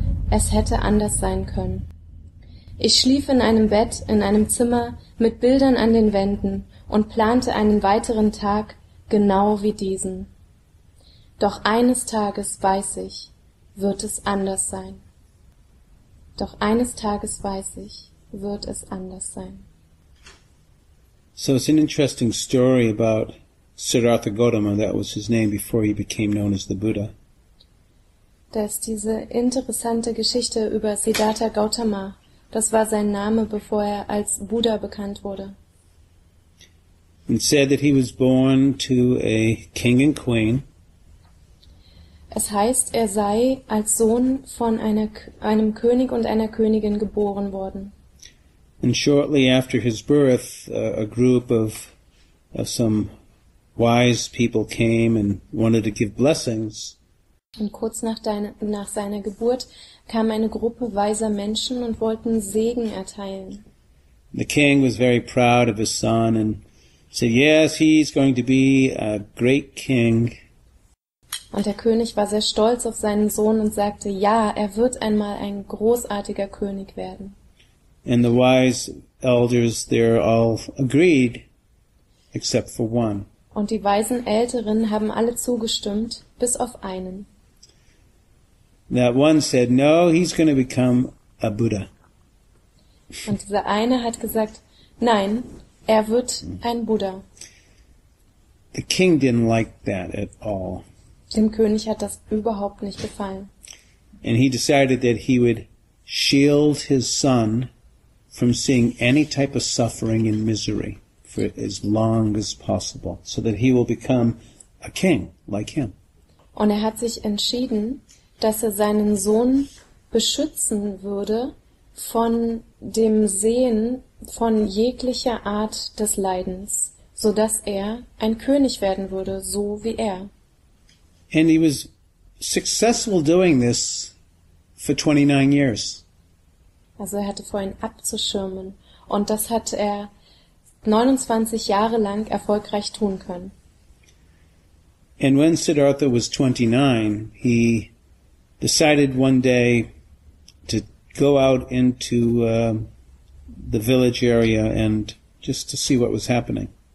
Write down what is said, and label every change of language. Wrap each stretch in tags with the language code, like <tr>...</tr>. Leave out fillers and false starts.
<de>Es hätte anders sein können. Ich schlief in einem Bett, in einem Zimmer, mit Bildern an den Wänden und plante einen weiteren Tag genau wie diesen. Doch eines Tages weiß ich, wird es anders sein. Doch eines Tages weiß ich, wird es anders sein.</de> <en>So it's an interesting story about Siddhartha Gautama, that was his name before he became known as the Buddha.</en> <de>Das ist diese interessante Geschichte über Siddhartha Gautama. Das war sein Name, bevor er als Buddha bekannt wurde.</de> <en>It said that he was born to a king and queen.</en> <de>Es heißt, er sei als Sohn von einem König und einer Königin geboren worden.</de> <en>And shortly after his birth, a group of some wise people came and wanted to give blessings.</en> <de>Und kurz nach seiner Geburt kam eine Gruppe weiser Menschen und wollten Segen erteilen.</de> <en>The king was very proud of his son and said, yes, he's going to be a great king.</en> <de>Und der König war sehr stolz auf seinen Sohn und sagte, ja, er wird einmal ein großartiger König werden.</de> <en>And the wise elders there all agreed, except for one.</en> <de>Und die weisen Älteren haben alle zugestimmt, bis auf einen.</de> <en>That one said, no, he's going to become a Buddha.</en> <de>Und dieser eine hat gesagt, nein, er wird ein Buddha.</de> <en>The king didn't like that at all.</en> <de>Dem König hat das überhaupt nicht gefallen.</de> <en>And he decided that he would shield his son from seeing any type of suffering and misery for as long as possible, so that he will become a king like him.</en> <de>Und er hat sich entschieden, dass er seinen Sohn beschützen würde von dem Sehen von jeglicher Art des Leidens, so dass er ein König werden würde, so wie er.</de> <en>And he was successful doing this for 29 years.</en> <de>Also er hatte vor, ihn abzuschirmen. Und das hat er 29 Jahre lang erfolgreich tun können.</de> <en>And when Siddhartha was 29, he decided one day to go out into the village area and just to see what was happening.</en>